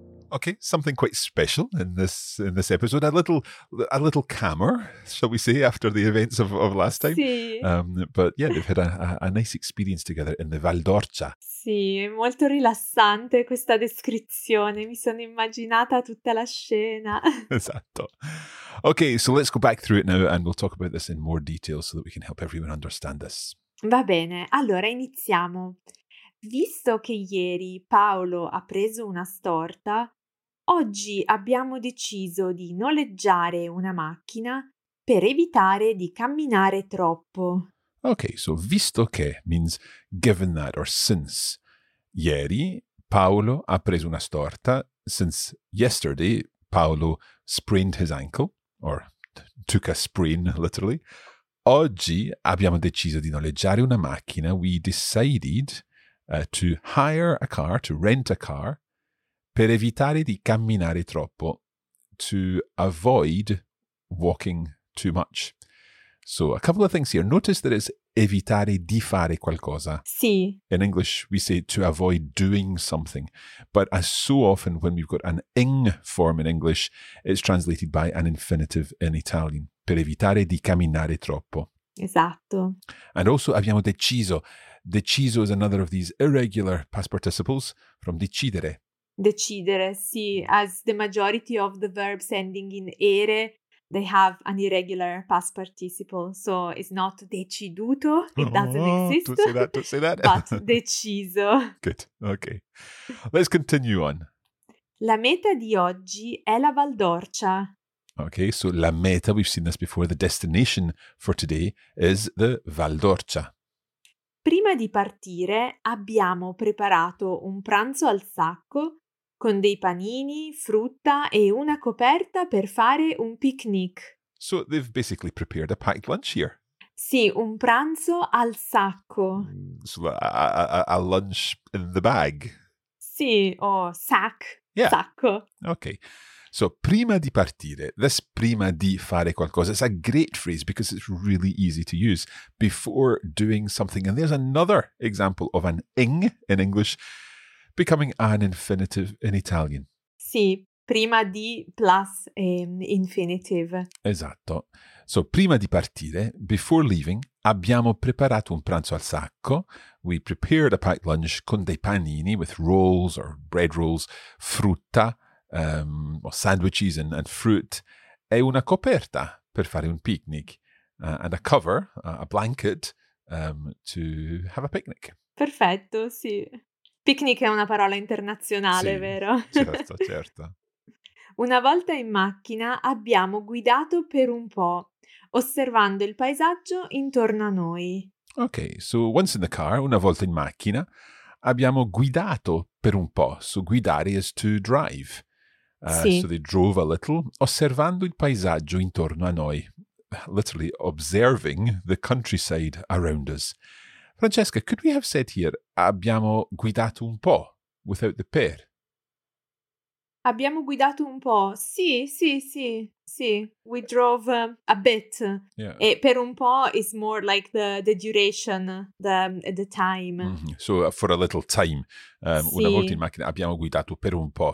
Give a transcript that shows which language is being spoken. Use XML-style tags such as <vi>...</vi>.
<en>Okay, something quite special in this episode. A little calmer, shall we say, after the events of last time.</en> <it>Sì.</it> <en>But yeah, they've had a nice experience together in the Val d'Orcia.</en> <it>Sì, è molto rilassante questa descrizione. Mi sono immaginata tutta la scena. Esatto.</it> <en>Okay, so let's go back through it now and we'll talk about this in more detail so that we can help everyone understand this.</en> <it>Va bene, allora iniziamo. Visto che ieri Paolo ha preso una storta, oggi abbiamo deciso di noleggiare una macchina per evitare di camminare troppo.</it> <en>Okay, so visto che means given that or since.</en> <it>Ieri Paolo ha preso una storta,</it> <en>since yesterday Paolo sprained his ankle, or t- took a sprint, literally.</en> <it>Oggi abbiamo deciso di noleggiare una macchina.</it> <en>We decided to hire a car, to rent a car,</en> <it>per evitare di camminare troppo,</it> <en>to avoid walking too much. So, a couple of things here. Notice that it's</en> <it>evitare di fare qualcosa. Sì.</it> <en>In English, we say to avoid doing something. But as so often when we've got an ing form in English, it's translated by an infinitive in Italian.</en> <it>Per evitare di camminare troppo. Esatto.</it> <en>And also,</en> <it>abbiamo deciso.</it> <en>Deciso is another of these irregular past participles from decidere.</en> <it>Decidere, sì.</it> <en>As the majority of the verbs ending in ere, they have an irregular past participle. So it's not deciduto, it doesn't exist. Don't say that, don't say that. But deciso. Good, okay. Let's continue on.</en> <it>La meta di oggi è la Val d'Orcia.</it> <en>Okay, so la meta, we've seen this before, the destination for today is the Val d'Orcia.</en> <it>Prima di partire abbiamo preparato un pranzo al sacco con dei panini, frutta e una coperta per fare un picnic.</it> <en>So they've basically prepared a packed lunch here.</en> <it>Sì, un pranzo al sacco.</it> <en>So a lunch in the bag.</en> <it>Sì, o sack,</it> <en>yeah.</en> <it>Sacco.</it> <en>Ok, so</en> <it>prima di partire,</it> <en>this</en> <it>prima di fare qualcosa,</it> <en>it's a great phrase because it's really easy to use. Before doing something, and there's another example of an ing in English, becoming an infinitive in Italian.</en> <it>Sì, prima di</it> <en>plus infinitive.</en> <it>Esatto.</it> <en>So,</en> <it>prima di partire,</it> <en>before leaving,</en> <it>abbiamo preparato un pranzo al sacco.</it> <en>We prepared a packed lunch</en> <it>con dei panini</it> <en>with rolls or bread rolls, frutta, or sandwiches and fruit,</en> <it>e una coperta per fare un picnic,</it> <en>and a cover, a blanket, to have a picnic.</en> <it>Perfetto, sì. Picnic è una parola internazionale, sì, vero? Certo, certo. Una volta in macchina abbiamo guidato per un po', osservando il paesaggio intorno a noi.</it> <en>Ok, so once in the car,</en> <it>una volta in macchina, abbiamo guidato per un po'.</it> <en>So guidare is to drive.</en> <it>Sì.</it> <en>So they drove a little,</en> <it>osservando il paesaggio intorno a noi.</it> <en>Literally, observing the countryside around us. Francesca, could we have said here,</en> <it>abbiamo guidato un po',</it> <en>without the per?</en> <it>Abbiamo guidato un po', sì, sì, sì, sì.</it> <en>We drove a bit. Yeah.</en> <it>E per un po'</it> <en>is more like the duration, the time. Mm-hmm. So for a little time.</en> <it>Sì. Una volta in macchina abbiamo guidato per un po'.</it>